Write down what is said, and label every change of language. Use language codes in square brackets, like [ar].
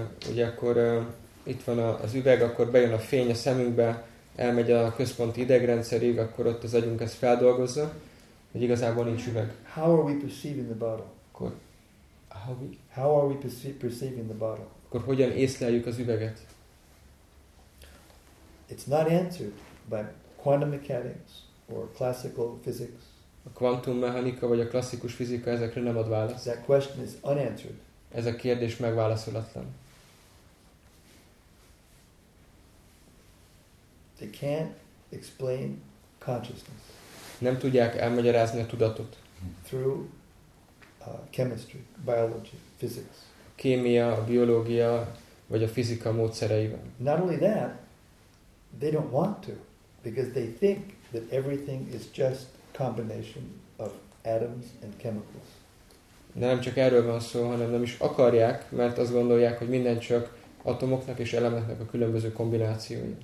[hu] Ugye akkor itt van az üveg, akkor bejön a fény a szemünkbe, elmegy a központi idegrendszerig, akkor ott az agyunk ezt feldolgozza, hogy igazából nincs üveg. [en] How are we perceiving the bottle? [hu] Akkor, [en] how are we perceiving the bottle? [hu] Akkor hogyan észleljük az üveget? [en] It's not answered by quantum mechanics or classical physics. [hu] A kvantummechanika vagy a klasszikus fizika ezekre nem ad választ. [en] That question is unanswered. [hu] Ez a kérdés megválaszolatlan. [en] They can't explain consciousness. [hu] Nem tudják elmagyarázni a tudatot. [en] Through chemistry, biology, physics. [hu] A kémia, a biológia vagy a fizika módszereivel. [en] Not only that, they don't want to, because they think that everything is just combination of atoms and chemicals. [hu] De nem csak erről van szó, hanem nem is akarják, mert azt gondolják, hogy minden csak atomoknak és elemeknek a különböző kombinációja.